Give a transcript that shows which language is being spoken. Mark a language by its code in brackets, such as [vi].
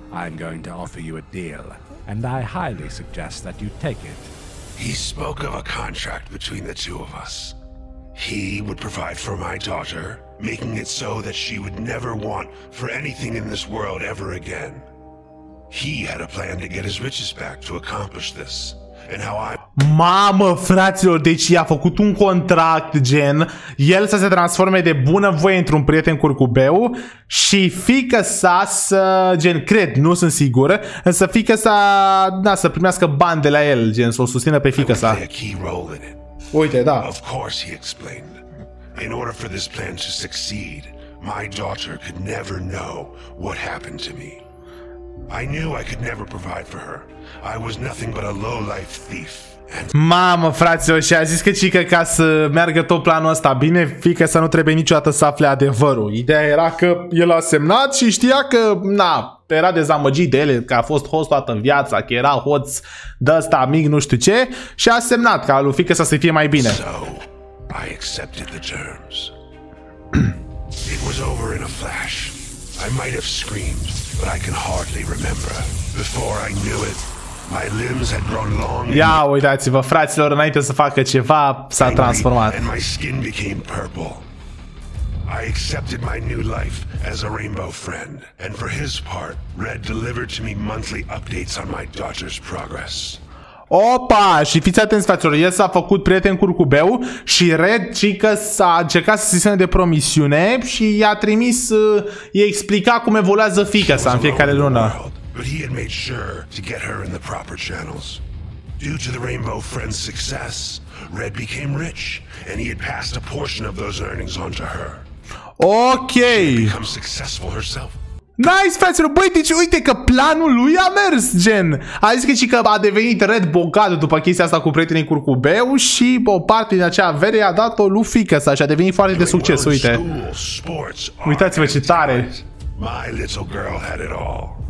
[en] I'm going to offer you a deal, and I highly suggest that you take it. He spoke of a contract between the two of us. He would provide for my daughter, making it so that she would never want for anything in this world ever again. He had a plan to get his riches back to accomplish this. And how I... [ro] Mamă, fraților, deci i-a făcut un contract, gen el să se transforme de bună voie într-un prieten curcubeu și fiica sa să, gen, cred, nu sunt sigur, însă fiica sa, da, să primească bani de la el, gen, să o susțină pe fiica sa. Uite, da. [en] Of course he explained. In order for this plan to succeed, my daughter could never know what happened to me. I knew I could never provide for her. I was nothing but a low-life thief. And... [ro] Mamă, fraților, și a zis că cică ca să meargă tot planul ăsta bine, fiică să nu trebuie niciodată să afle adevărul. Ideea era că el a semnat și știa că, na, era dezamăgit de el, că a fost hoț toată viața, că era hoț de ăsta mic, nu știu ce, și a semnat ca lui fiică să fie mai bine. [en] So, I accepted the terms. It was over in a flash. I might have screamed, but I can hardly remember. Before I knew it, my limbs had grown long. [ro] Ia, uitați-vă, fraților, înainte să facă ceva, s-a transformat. [en] And my skin became purple. I accepted my new life as a rainbow friend, and for his part, Red delivered to me monthly updates on my daughter's progress. [ro] Opa, și fiți atenți, fraților, el s-a făcut prieten curcubeu și Red, cică, s-a încercat să se țină de promisiune și i-a trimis, i-a explicat cum evoluează fiica sa în fiecare lună. [en] But he had made sure to get her in the proper channels. Due to the Rainbow Friend's success, Red became rich and he had passed a portion of those earnings on to her. Okay. She had become successful herself. [ro] Nice, fraților, băi, deci uite că planul lui a mers, gen. A zis că și că a devenit Red bogat după chestia asta cu prietenii curcubeu și o parte din acea avere i-a dat-o lui fiică sa și a devenit foarte de succes, uite. Uitați-vă ce tare. [en] My little girl had it all.